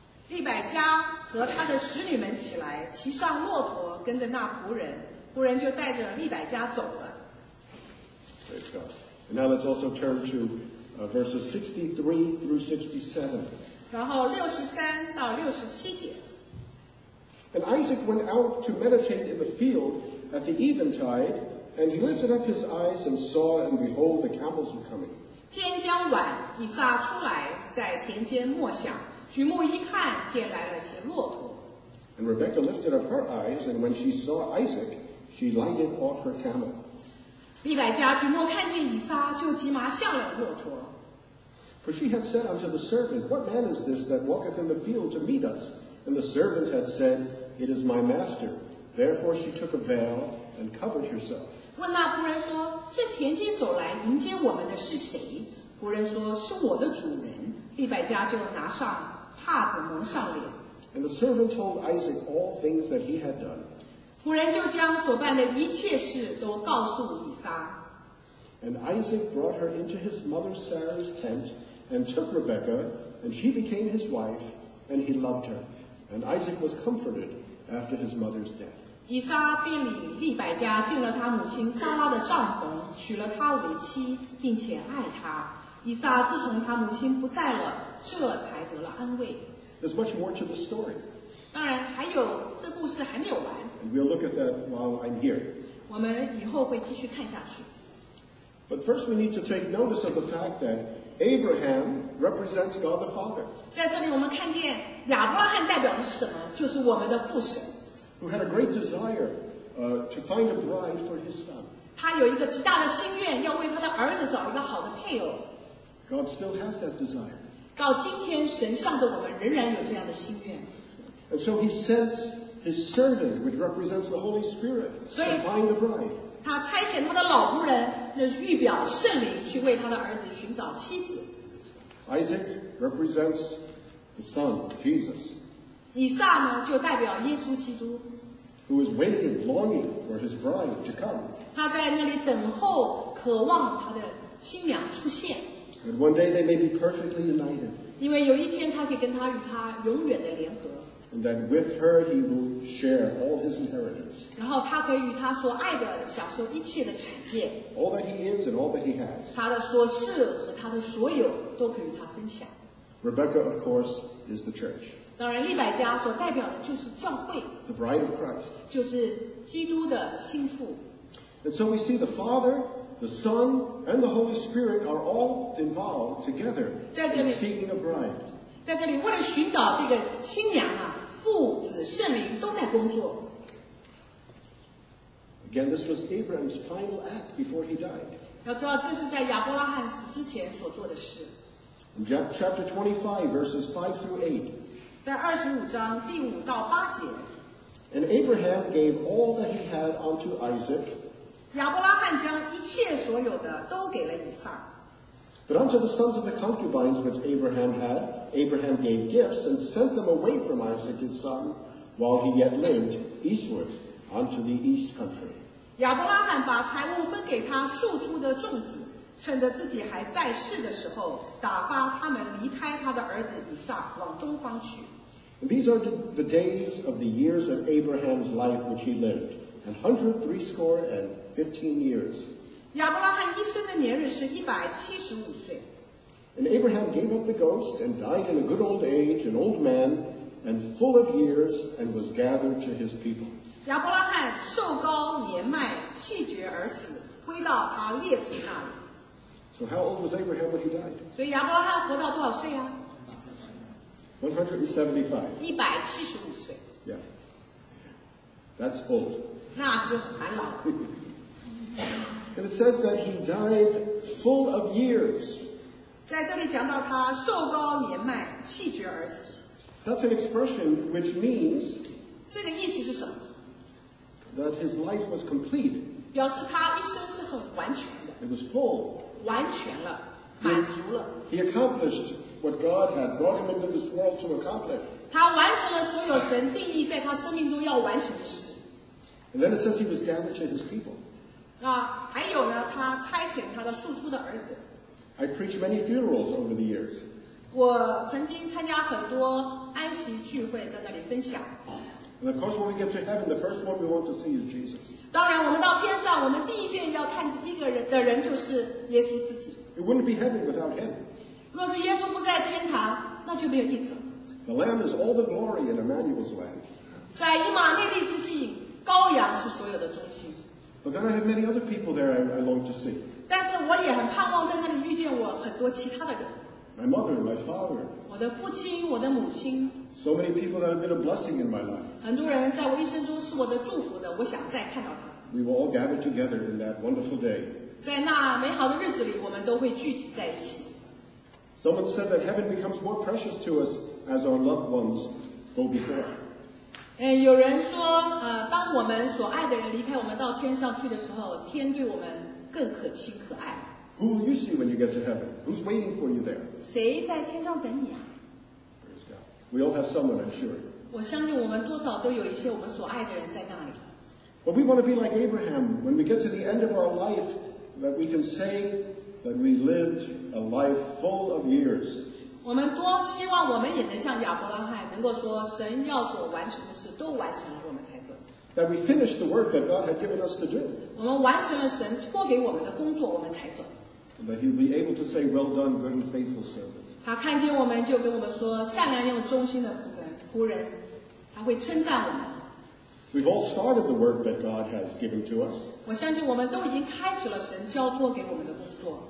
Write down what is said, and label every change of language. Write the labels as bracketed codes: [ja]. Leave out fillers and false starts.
[zh] 利百加和他的使女们起来，骑上骆驼，跟着那仆人，仆人就带着利百加走了。 [en] Praise God. And now let's also turn to verses 63 through 67. [zh] 然后63到67节。 [en] And Isaac went out to meditate in the field at the eventide, and he lifted up his eyes and saw, and behold, the camels were coming. [zh] 天将晚，以撒出来，在田间默想，举目一看，见来了些骆驼。 [en] And Rebekah lifted up her eyes, and when she saw Isaac, she lighted off her camel. [zh] 利百加举目看见以撒，就急忙下了骆驼。 [en] For she had said unto the servant, What man is this that walketh in the field to meet us? And the servant had said, It is my master. Therefore she took a veil and covered herself. [zh] 问那仆人说，这田间走来迎接我们的是谁？仆人说，是我的主人。利百加就拿上帕子蒙上脸。 [en] And the servant told Isaac all things that he had done. [zh] 仆人就将所办的一切事都告诉以撒。 [en] And Isaac brought her into his mother Sarah's tent and took Rebekah, and she became his wife, and he loved her. And Isaac was comforted after his mother's death. [zh] 以撒便领利百加进了他母亲撒拉的帐篷，娶了她为妻，并且爱她。以撒自从他母亲不在了，这才得了安慰。 [en] There's much more to the story. [zh] 当然还有，这故事还没有完。 [en] And we'll look at that while I'm here. [zh] 我们以后会继续看下去。 [en] But first we need to take notice of the fact that Abraham represents God the Father. [zh] 在这里我们看见亚伯拉罕代表的是什么？就是我们的父神。 [en] Who had a great desire to find a bride for his son. [zh] 他有一个极大的心愿，要为他的儿子找一个好的配偶。 [en] God still has that desire. [zh] 到今天神向着我们仍然有这样的心愿。 [en] And so he sent his servant, which represents the Holy Spirit, to find the bride. [zh] 他差遣他的老仆人，那预表圣灵，去为他的儿子寻找妻子。 [en] Isaac represents the Son, Jesus. [zh] 以撒呢，就代表耶稣基督。 [en] Who is waiting, longing for his bride to come? [zh] 他在那里等候，渴望他的新娘出现。 [en] And one day they may be perfectly united. [zh] 因为有一天他可以跟他与他永远的联合。 [en] And that with her he will share all his inheritance. [zh] 然后他可以与他所爱的享受一切的产业。 [en] All that he is and all that he has. [zh] 他的所是和他的所有都可以与他分享。 [en] Rebecca, of course, is the church. [zh] 当然，利百加所代表的就是教会。 [en] The bride of Christ. [zh] 就是基督的心腹。 [en] And so we see the Father, the Son, and the Holy Spirit are all involved together in seeking a bride. [zh] 在这里，为了寻找这个新娘啊，父子圣灵都在工作。 [en] Again, this was Abraham's final act before he died. [zh] 要知道，这是在亚伯拉罕死之前所做的事。 [en] In chapter 25, verses 5 through 8. [zh] 在二十五章第五到八节。 [en] And Abraham gave all that he had unto Isaac. [zh] 亚伯拉罕将一切所有的都给了以撒。 [en] But unto the sons of the concubines which Abraham had, Abraham gave gifts and sent them away from Isaac his son, while he yet lived, eastward, unto the east country. [zh] 亚伯拉罕把财物分给他庶出的众子，趁着自己还在世的时候，打发他们离开他的儿子以撒，往东方去。 [en] And these are the days of the years of Abraham's life which he lived, 135 years. [zh] 亚伯拉罕一生的年日是175岁。 [en] And Abraham gave up the ghost and died in a good old age, an old man, and full of years, and was gathered to his people. [zh] 亚伯拉罕瘦高年迈，气绝而死，归到他列祖那里。 [en] So how old was Abraham when he died? [zh] 所以亚伯拉罕活到多少岁啊？ [en] 175 [zh] 岁。 [en] Yes. That's old. [zh] 那是蛮老。 [en] And it says that he died full of years. [zh] 在这里讲到他瘦高年迈，气绝而死。 [en] That's an expression which means [zh] 这个意思是什么？ [en] That his life was complete. [zh] 表示他一生是很完全的。 [en] It was full. [zh] 完全了，满足了。 [en] He accomplished what God had brought him into this world to accomplish. [zh] 他完成了所有神定义在他生命中要完成的事。 [en] And then it says he was gathered to his people. [zh] 还有呢，他差遣他的庶出的儿子。 [en] I preached many funerals over the years. [zh] 我曾经参加很多安息聚会，在那里分享。 [en] And of course, when we get to heaven, the first one we want to see is Jesus. [zh] 当然，我们到天上，我们第一件要看一个人的人就是耶稣自己。 [en] It wouldn't be heaven without him. [zh] 若是耶稣不在天堂，那就没有意思了。 [en] The Lamb is all the glory in Emmanuel's land. [zh] 在以马内利之际，羔羊是所有的中心。 [en] But then I have many other people there I long to see. [zh] 但是我也很盼望在那里遇见我很多其他的人。 [en] My mother, my father. [zh] 我的父亲，我的母亲。 [en] So many people that have been a blessing in my life. [zh] 很多人在我一生中是我的祝福的，我想再看到他。 [en] We will all gather together in that wonderful day. [zh] 在那美好的日子里，我们都会聚集在一起。 [en] Someone said that heaven becomes more precious to us as our loved ones go before. [zh] 有人说，当我们所爱的人离开我们到天上去的时候，天对我们更可亲可爱。 [en] Who will you see when you get to heaven? Who's waiting for you there? [zh] 谁在天上等你啊？ [en] Praise God. We all have someone, I'm sure. [zh] 我相信我们多少都有一些我们所爱的人在那里。 [en] But we want to be like Abraham. When we get to the end of our life, that we can say that we lived a life full of years. [zh] 我们多希望我们也能像亚伯拉罕，能够说神要所完成的事都完成了，我们才走。 [en] That we finished the work that God had given us to do. [zh] 我们完成了神托给我们的工作，我们才走。 [en] That he'll be able to say, "Well done, good and faithful servant." [zh] 他看见我们就跟我们说，善良又忠心的仆人，他会称赞我们。 [en] We've all started the work that God has given to us. [zh] 我相信我们都已经开始了神交托给我们的工作。